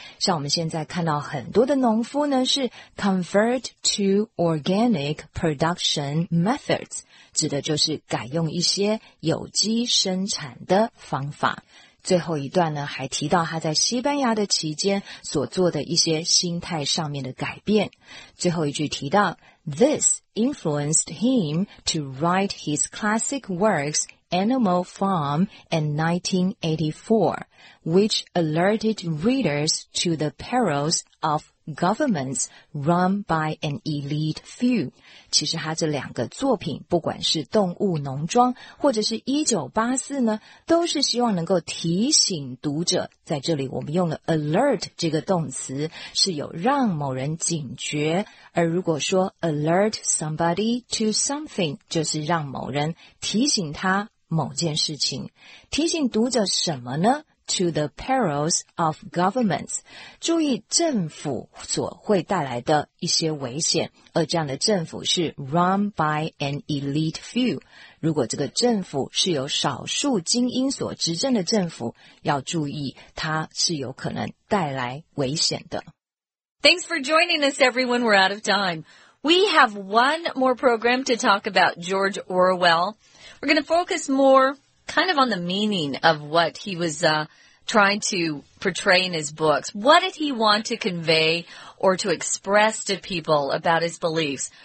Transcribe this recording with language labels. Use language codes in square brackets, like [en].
[zh] 像我们现在看到很多的农夫呢，是 [en] convert to organic production methods, [zh] 指的就是改用一些有机生产的方法。最后一段呢，还提到他在西班牙的期间所做的一些心态上面的改变。最后一句提到 [en] This influenced him to write his classic works Animal Farm and 1984, which alerted readers to the perils of governments run by an elite few. [zh] 其实他这两个作品，不管是动物农庄或者是1984呢，都是希望能够提醒读者，在这里我们用了 alert 这个动词，是有让某人警觉，而如果说 [en] alert somebody to something, [zh] 就是让某人提醒他某件事情，提醒读者什么呢？ [en] To the perils of governments. [zh] 注意政府所会带来的一些危险，而这样的政府是 [en] run by an elite few. [zh] 如果这个政府是由少数精英所执政的政府，要注意它是有可能带来危险的。 [en] Thanks for joining us, everyone. We're out of time. We have one more program to talk about George Orwell. We're going to focus more kind of on the meaning of what he was trying to portray in his books. What did he want to convey or to express to people about his beliefs?